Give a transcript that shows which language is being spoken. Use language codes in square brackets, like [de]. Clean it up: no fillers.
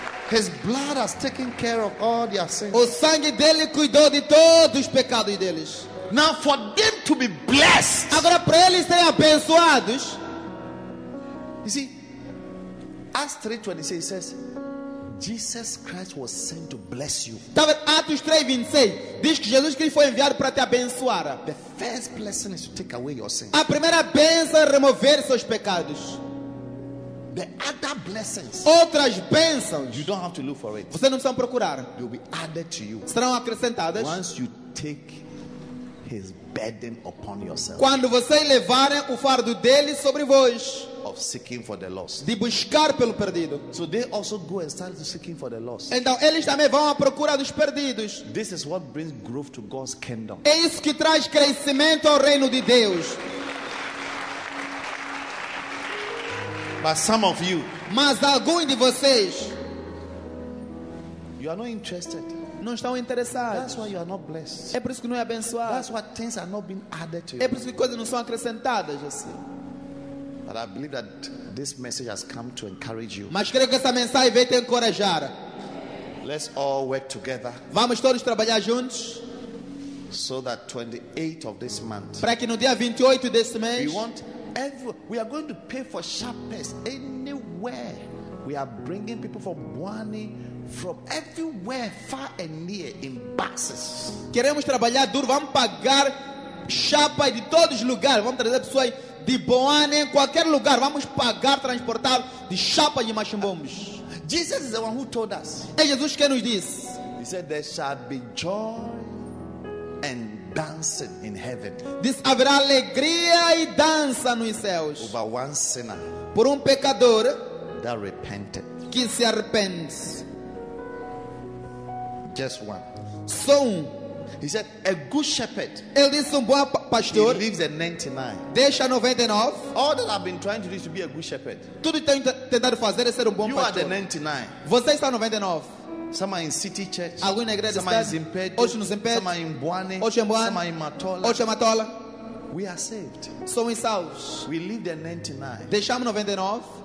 [en] His blood has taken care of all their sins. [pt] O sangue dele cuidou de todos os pecados deles. [en] Now for them to be blessed. [pt] Agora para eles serem abençoados. [en] You see, Acts 3:26 says, Jesus Christ was sent to bless you. [pt] Tá vendo? Atos 3:26 diz que Jesus Cristo foi enviado para te abençoar. [en] The first blessing is to take away your sins. [pt] A primeira bênção é remover seus pecados. [en] The other blessings, [pt] outras bênçãos, [en] you don't have to look for it. [pt] Você não precisa procurar. [en] They will be added to you. [pt] Serão acrescentadas. [en] Once you take his burden upon yourself. [pt] Quando você levar o fardo dele sobre vós. [en] Of seeking for the lost. [pt] De buscar pelo perdido. [en] So they also go and start seeking for the lost. [pt] Então eles também vão à procura dos perdidos. [en] This is what brings growth to God's kingdom. [pt] É isso que traz crescimento ao reino de Deus. [en] But some of you, [pt] mas alguns de vocês, [en] you are not interested. [pt] Não estão interessados. [en] That's why you are not blessed. [pt] É por isso que não é abençoado. [en] That's why things are not being added to you. [pt] É por isso que coisas não são acrescentadas assim. [en] But I believe that this message has come to encourage you. [pt] Mas creio que essa mensagem veio te encorajar. [en] Let's all work together. [pt] Vamos todos trabalhar juntos. [en] So that 28th of this month. [pt] Para que no dia 28 deste mês. [en] We want every. We are going to pay for sharpers anywhere. We are bringing people from Bwani, from everywhere, far and near, in boxes. [pt] Queremos trabalhar duro. Vamos pagar chapa de todos os lugares. Vamos trazer pessoas de Boane, em qualquer lugar. Vamos pagar, transportar de chapa de machimbombos. [en] Jesus is the one who told us. [pt] É Jesus que nos disse. [en] He said there shall be joy and dancing in heaven. [pt] Diz, haverá alegria e dança nos céus. [en] Over one sinner. [pt] Por pecador. [en] That repented. [pt] Que se arrepende. [en] Just one. [pt] Só um. [en] He said, a good shepherd. [pt] Ele disse, um bom pastor. [en] He leaves the 99. [pt] Deixa 99. [en] All that I've been trying to do is to be a good shepherd. [pt] Tudo que tenho tentado fazer é ser um bom [en] you [pt] pastor. [en] You are the 99. [pt] Você está 99. [en] Some are in city church. [pt] Alguns na igreja. [en] Some are in Zimpedo. [pt] Outros no Zimpedo. [en] Some are in Bwane. [pt] Outros em Bwane. [en] Some are in Matola. [pt] Outros em Matola. [en] We are saved. [pt] Somos salvos. [en] We leave the 99. [pt] Deixamos 99.